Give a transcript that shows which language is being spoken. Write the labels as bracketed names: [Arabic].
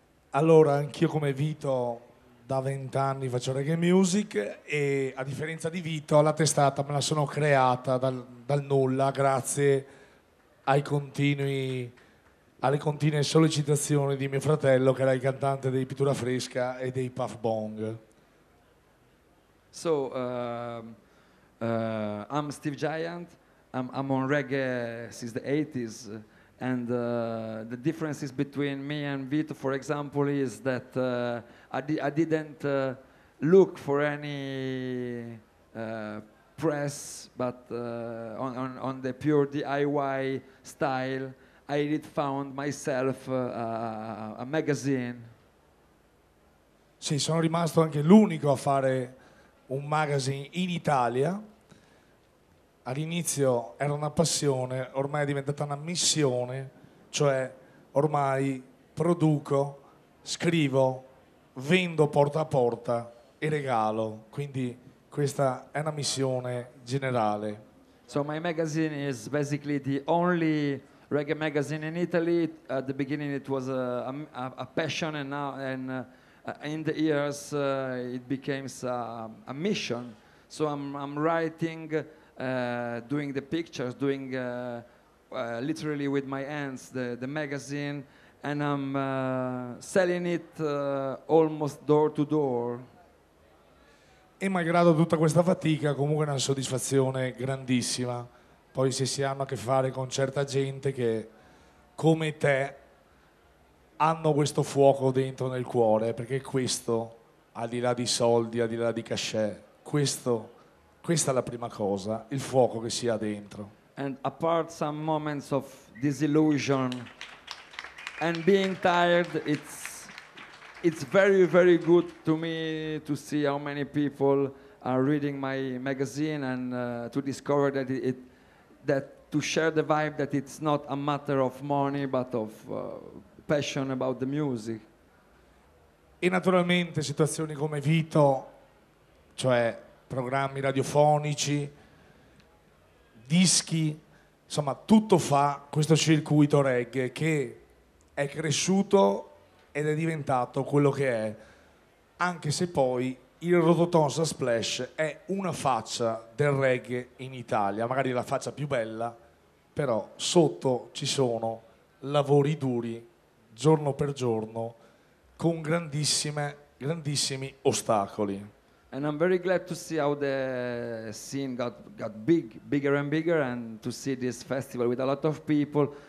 [Italian] Allora, anch'io come Vito da 20 anni faccio reggae music, e a differenza di Vito la testata me la sono creata dal nulla, grazie alle continue sollecitazioni di mio fratello, che era il cantante dei Pittura Fresca e dei Puff Bong. [English] So I'm Steve Giant, I'm on reggae since the 80s. And the differences between me and Vito, for example, is that I didn't look for any press, but on the pure DIY style, I did found myself a magazine. [Italian] Sì, sono rimasto anche l'unico a fare un magazine in Italia. All'inizio era una passione, ormai è diventata una missione, cioè ormai produco, scrivo, vendo porta a porta e regalo, quindi questa è una missione generale. [English] So my magazine is basically the only reggae magazine in Italy. At the beginning it was a passion, and now and in the years it became a mission. So I'm writing, doing the pictures, doing literally with my hands the magazine, and I'm selling it almost door to door. [Italian] E malgrado tutta questa fatica, comunque è una soddisfazione grandissima. Poi se si hanno a che fare con certa gente che come te hanno questo fuoco dentro nel cuore, perché questo, al di là di soldi, al di là di cachet, questa è la prima cosa, il fuoco che si ha dentro. [English] And apart some moments of disillusion and being tired, it's very, very good to me to see how many people are reading my magazine, and to discover that that to share the vibe that it's not a matter of money but of passion about the music. [Italian] E naturalmente situazioni come Vito, cioè programmi radiofonici, dischi, insomma tutto fa questo circuito reggae che è cresciuto ed è diventato quello che è, anche se poi il Rototonsa Splash è una faccia del reggae in Italia, magari la faccia più bella, però sotto ci sono lavori duri giorno per giorno con grandissimi ostacoli. [English] And I'm very glad to see how the scene got bigger and bigger, and to see this festival with a lot of people.